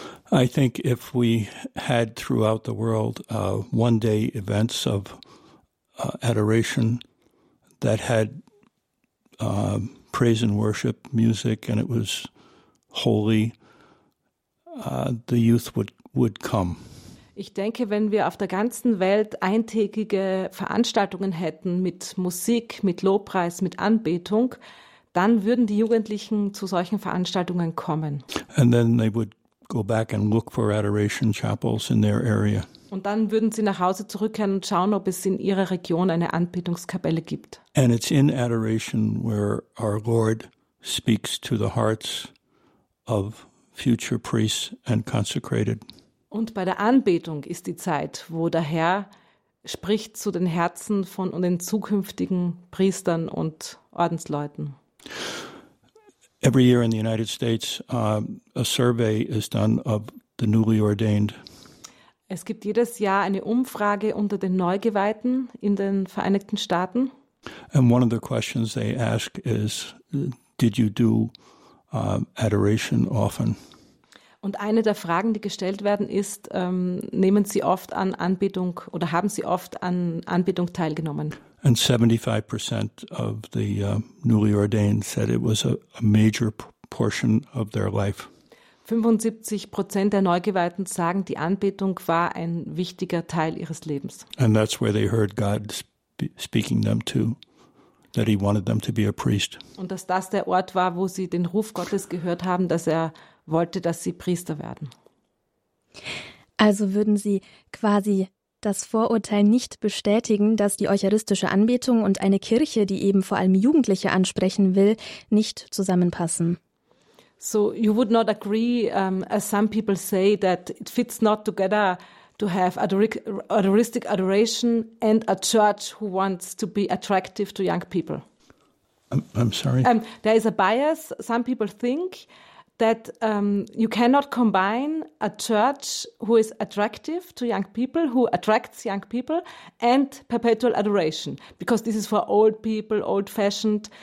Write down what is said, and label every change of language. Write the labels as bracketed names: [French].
[English] I think if we had throughout the world one-day events of adoration that had praise and worship music and it was holy, the youth would come. [German] Ich denke, wenn wir auf der ganzen Welt eintägige Veranstaltungen hätten mit Musik, mit Lobpreis, mit Anbetung, dann würden die Jugendlichen zu solchen Veranstaltungen kommen. [English] And then they would go back and look for adoration chapels in their area. [German] Und dann würden sie nach Hause zurückkehren und schauen, ob es in ihrer Region eine Anbetungskapelle gibt. [English] And it's in adoration where our Lord speaks to the hearts of future priests and consecrated. [German] Und bei der Anbetung ist die Zeit, wo der Herr spricht zu den Herzen von den zukünftigen Priestern und Ordensleuten. [English] Every year in the United States, a survey is done of the newly ordained. [German] Es gibt jedes Jahr eine Umfrage unter den Neugeweihten in den Vereinigten Staaten. [English] And one of the questions they ask is, did you do adoration often? [German] Und eine der Fragen, die gestellt werden, ist, nehmen Sie oft an Anbetung oder haben Sie oft an Anbetung teilgenommen? [English] And 75% of the newly ordained said it was a major portion of their life. [German] 75% der Neugeweihten sagen, die Anbetung war ein wichtiger Teil ihres Lebens. [English] And that's where they heard God speaking them to, that he wanted them to be a priest. [German] Und dass das der Ort war, wo sie den Ruf Gottes gehört haben, dass er wollte, dass sie Priester werden. Also würden Sie quasi das Vorurteil nicht bestätigen, dass die eucharistische Anbetung und eine Kirche, die eben vor allem Jugendliche ansprechen will, nicht zusammenpassen. [English] So you would not agree, as some people say, that it fits not together to have adoristic adoration and a church who wants to be attractive to young people. I'm sorry. There is a bias. Some people think that you cannot combine a church who is attractive to young people, who attracts young people, and perpetual adoration, because this is for old people, old-fashioned.